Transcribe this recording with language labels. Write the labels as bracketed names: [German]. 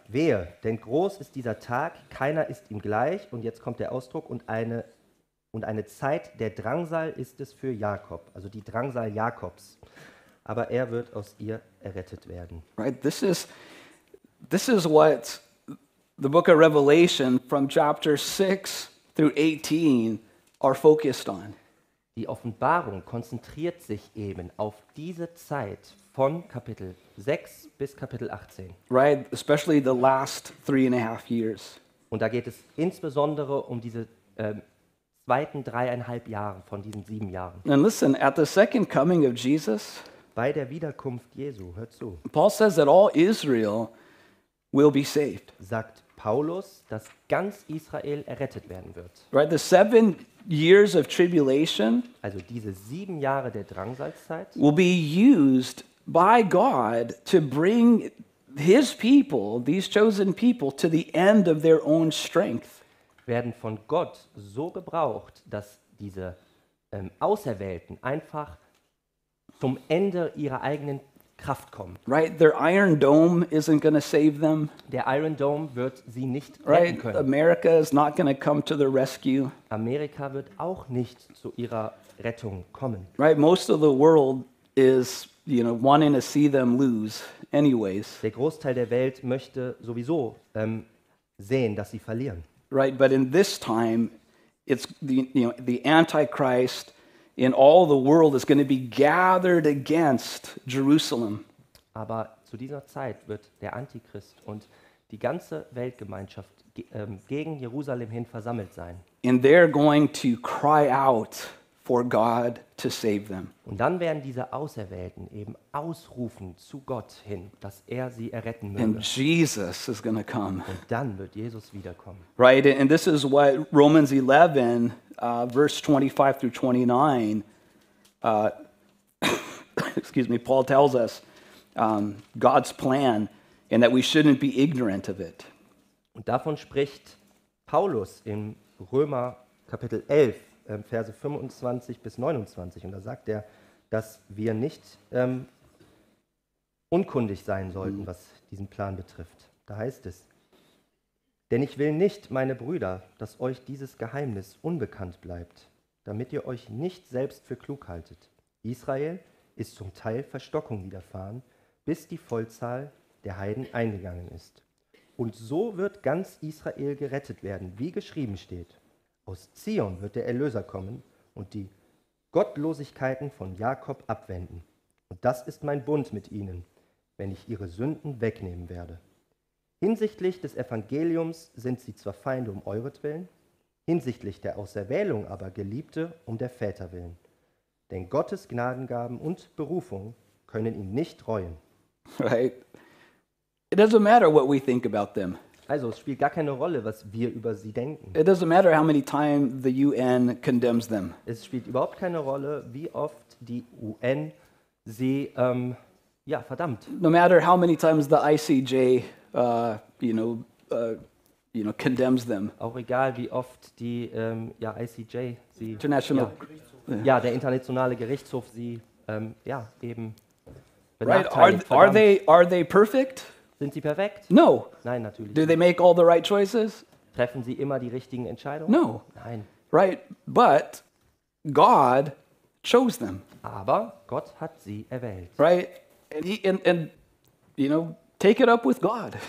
[German] Wehe, denn groß ist dieser Tag, keiner ist ihm gleich. Und jetzt kommt der Ausdruck, und eine Zeit der Drangsal ist es für Jakob. Also die Drangsal Jakobs. Aber er wird aus ihr errettet werden. [English] Right, this is what the book of Revelation from chapter 6 through 18 are focused on. [German] Die Offenbarung konzentriert sich eben auf diese Zeit von Kapitel 6 bis Kapitel 18. [English] Right, especially the last 3.5 years. [German] Und da geht es insbesondere um diese zweiten 3.5 Jahre von diesen 7 Jahren. [English] And listen, at the second coming of Jesus, [German] bei der Wiederkunft Jesu, hör zu. [English] Paul says that all Israel will be saved. [German] Sagt Paulus, dass ganz Israel errettet werden wird. [English] Right, the 7 years of tribulation, [German] also diese 7 Jahre der Drangsalzeit, [English] will be used by God to bring his people, these chosen people, to the end of their own strength. [German] Werden von Gott so gebraucht, dass diese Auserwählten einfach zum Ende ihrer eigenen Kraft kommen. [English] Right, their Iron Dome isn't going to save them. [German] Der Iron Dome wird sie nicht [English] right, [German] retten können. [English] America is not going to come to their rescue. [German] Amerika wird auch nicht zu ihrer Rettung kommen. [English] Right, most of the world is, you know, wanting to see them lose anyways. [German] Der Großteil der Welt möchte sowieso sehen, dass sie verlieren. [English] Right, but in this time it's the, you know, the Antichrist in all the world is going to be gathered against Jerusalem. [German] Aber zu dieser Zeit wird der Antichrist und die ganze Weltgemeinschaft gegen Jerusalem hin versammelt sein. [English] And they're going to cry out for God to save them. [German] Und dann werden diese Auserwählten eben ausrufen zu Gott hin, dass er sie erretten möge. [English] And Jesus is going to come. [German] Und dann wird Jesus wiederkommen. [English] Right, and this is what Romans 11, verse 25 through 29, excuse me, Paul tells us God's plan and that we shouldn't be ignorant of it. [German] Und davon spricht Paulus in Römer Kapitel 11, Verse 25 bis 29. Und da sagt er, dass wir nicht unkundig sein sollten, was diesen Plan betrifft. Da heißt es: Denn ich will nicht, meine Brüder, dass euch dieses Geheimnis unbekannt bleibt, damit ihr euch nicht selbst für klug haltet. Israel ist zum Teil Verstockung widerfahren, bis die Vollzahl der Heiden eingegangen ist. Und so wird ganz Israel gerettet werden, wie geschrieben steht. Aus Zion wird der Erlöser kommen und die Gottlosigkeiten von Jakob abwenden. Und das ist mein Bund mit ihnen, wenn ich ihre Sünden wegnehmen werde. Hinsichtlich des Evangeliums sind sie zwar Feinde um euretwillen, hinsichtlich der Auserwählung aber Geliebte um der Väter willen. Denn Gottes Gnadengaben und Berufung können ihn nicht reuen. [English] Right. It doesn't matter what we think about them. [German] Also, es spielt gar keine Rolle, was wir über sie denken. [English] It doesn't matter how many times the UN condemns them. [German] Es spielt überhaupt keine Rolle, wie oft die UN sie ja, verdammt. [English] No matter how many times the ICJ you know condemns them. [German] Auch egal, wie oft die ja, ICJ sie [English] International [German] ja, der internationale Gerichtshof sie ja, eben benachteiligt. [English] Right. Are they perfect? [German] Sind sie perfekt? [English] No. [German] Nein, natürlich. [English] Do they make all the right choices? [German] Treffen sie immer die richtigen Entscheidungen? [English] No. [German] Nein. [English] Right, but God chose them. [German] Aber Gott hat sie erwählt. [English] Right, and you know, take it up with God.